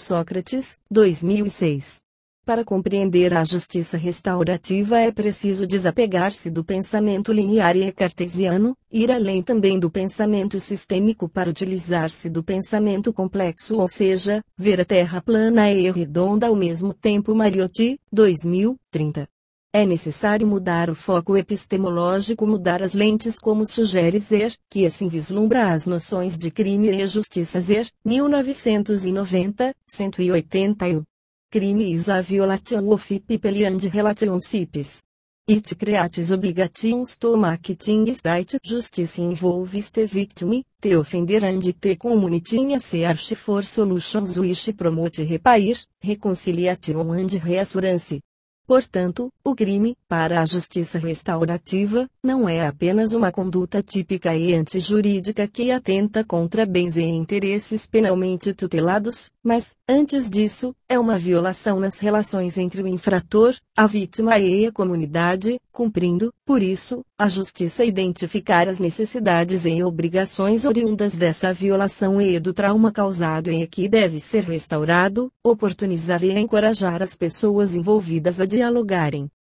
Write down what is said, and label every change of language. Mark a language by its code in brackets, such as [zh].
[pt] Sócrates, 2006. Para compreender a justiça restaurativa é preciso desapegar-se do pensamento linear e cartesiano, ir além também do pensamento sistêmico para utilizar-se do pensamento complexo, ou seja, ver a terra plana e redonda ao mesmo tempo. Mariotti, 2030. É necessário mudar o foco epistemológico, mudar as lentes, como sugere Zer, que assim vislumbra as noções de crime e justiça. Zer, 1990, 181. [en] Crime is a violation of people and relationships. It creates obligations to make things right. Justice involves the victim, the offender and the community in a search for solutions which promote repair, reconciliation and reassurance. [pt] Portanto, o crime, para a justiça restaurativa, não é apenas uma conduta típica e antijurídica que atenta contra bens e interesses penalmente tutelados, mas, antes disso, é uma violação nas relações entre o infrator, a vítima e a comunidade, cumprindo, por isso, a justiça identificar as necessidades e obrigações oriundas dessa violação e do trauma causado e que deve ser restaurado, oportunizar e encorajar as pessoas envolvidas a dialogarem